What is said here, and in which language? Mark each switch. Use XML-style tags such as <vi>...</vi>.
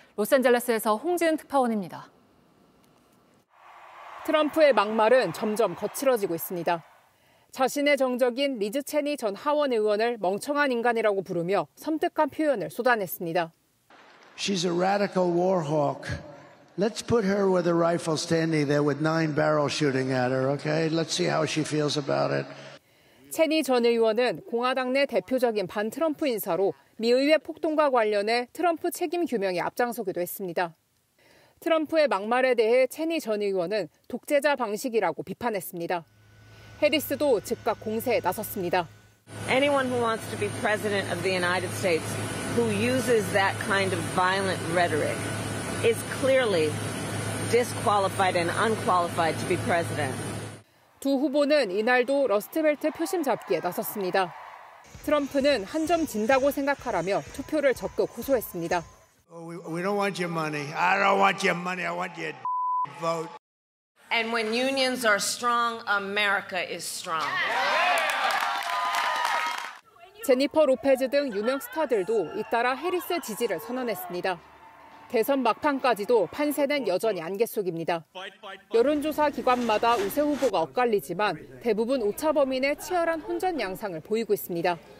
<ko>로스앤젤레스에서 홍지은 특파원입니다. 트럼프의 막말은 점점 거칠어지고 있습니다. 자신의 정적인 리즈 체니 전 하원 의원을 멍청한 인간이라고 부르며 섬뜩한 표현을 쏟아냈습니다.</ko> <en>She's a radical war hawk. Let's put her with a rifle standing there with nine barrels shooting at her, okay? Let's see how she feels about it.</en> <ko>체니 전 의원은 공화당 내 대표적인 반 트럼프 인사로 미 의회 폭동과 관련해 트럼프 책임 규명에 앞장서기도 했습니다. 트럼프의 막말에 대해 체니 전 의원은 독재자 방식이라고 비판했습니다. 해리스도 즉각 공세에 나섰습니다.</ko> <en>Anyone who wants to be president of the United States who uses that kind of violent rhetoric is clearly disqualified and unqualified to be president.</en> <ko>두 후보는 이날도 러스트벨트 표심 잡기에 나섰습니다. 트럼프는 한 점 진다고 생각하라며 투표를 적극 호소했습니다.</ko> <en>We don't want your money. I don't want your money. I want your vote. And when unions are strong, America is strong.</en> <ko>제니퍼 로페즈 등 유명 스타들도 잇따라 해리스 지지를 선언했습니다. 대선 막판까지도 판세는 여전히 안개 속입니다. 여론조사 기관마다 우세 후보가 엇갈리지만 대부분 오차 범위 내 치열한 혼전 양상을 보이고 있습니다.</ko>